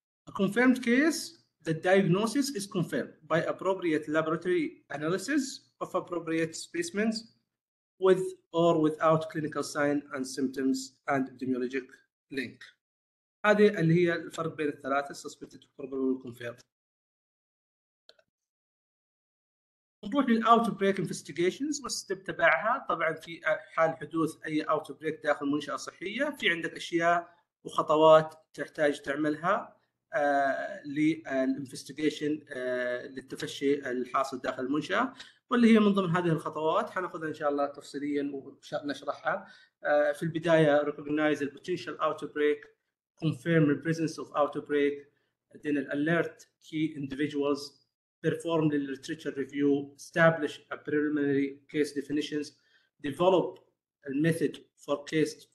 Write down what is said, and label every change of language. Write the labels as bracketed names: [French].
[English] A confirmed case, the diagnosis is confirmed by appropriate laboratory analysis of appropriate specimens with or without clinical sign and symptoms and epidemiologic link. [Arabic] هذه اللي هي الفرق بين الثلاثة [English] suspected probable confirmed. [Arabic] نروح للأوتبريك إنفستيجيشنز والستيب تبعها. طبعاً في حال حدوث أي أوتبريك داخل منشأة صحية في عندك أشياء وخطوات تحتاج تعملها للإنفستيجيشن للتفشي الحاصل داخل المنشأة، واللي هي من ضمن هذه الخطوات حنأخذها إن شاء الله تفصيلياً ونشرحها. في البداية [English] recognize the potential outbreak, confirm the presence of outbreak, then alert key individuals, perform the literature review, establish a preliminary case definitions, develop a method for case